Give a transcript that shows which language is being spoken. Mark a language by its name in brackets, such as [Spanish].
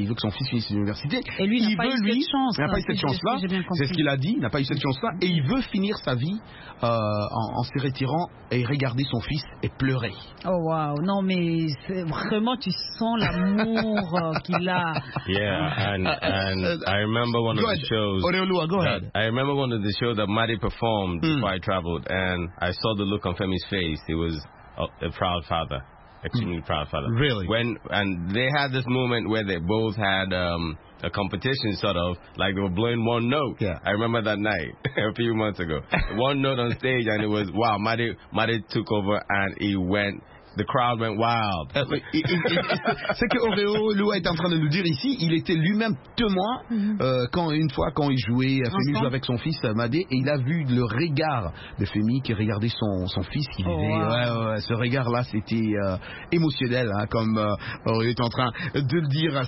[French] Il veut que son fils finisse l'université. Et lui, il n'a pas eu cette chance-là. C'est ce qu'il a dit. Il n'a pas eu cette chance-là. Et il veut finir sa vie en se retirant et regarder son fils et pleurer. Oh, waouh. Non, mais vraiment, tu sens l'amour qu'il a. [English] Yeah, and I remember one of the shows. Oreolua, go ahead. I remember one of the shows that Madi performed before I traveled. And I saw the look on Femi's face. He was a proud father. Extremely proud father. Really? And they had this moment where they both had... a competition, sort of, like they were blowing one note. Yeah. I remember that night, a few months ago. One note on stage, and it was, wow, Madi took over, and he went... The crowd went wild. [French] C'est que Oreo Lua est en train de nous dire ici, il était lui-même témoin quand il jouait, Femi jouait avec son fils Madi, et il a vu le regard de Femi qui regardait son fils. Qui disait, ce regard-là, c'était émotionnel, hein, comme Oreo est en train de le dire.